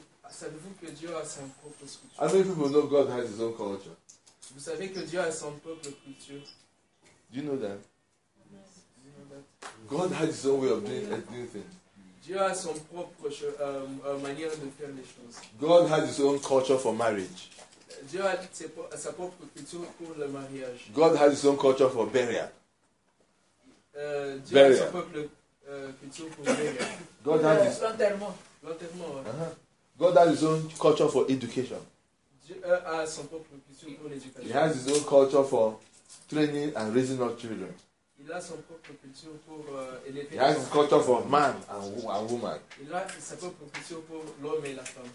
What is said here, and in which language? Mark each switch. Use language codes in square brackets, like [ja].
[fr] Savez-vous que Dieu a son propre culture? [en] How many people know God has His own culture? [fr] Vous savez que Dieu a son propre culture? [en] Do you know that? Yes. God has His own way of doing everything. [fr] Dieu a son propre manière de faire les choses. [en] God has His own culture for marriage. [fr] Dieu a sa propre culture pour le mariage. [en] God has His own culture for burial. [fr] Dieu burial. A sa propre culture pour burial. [en] God has His [fr] l'enterrement. [en] Ouais. Uh-huh. God has His own culture for education. [fr] Dieu a son propre culture pour l'éducation. [en] He has His own culture for training and raising up children. [fr] Il il a son propre culture pour élever. [en] He has his culture for man and woman. [fr] Il a sa propre culture pour l'homme et la femme.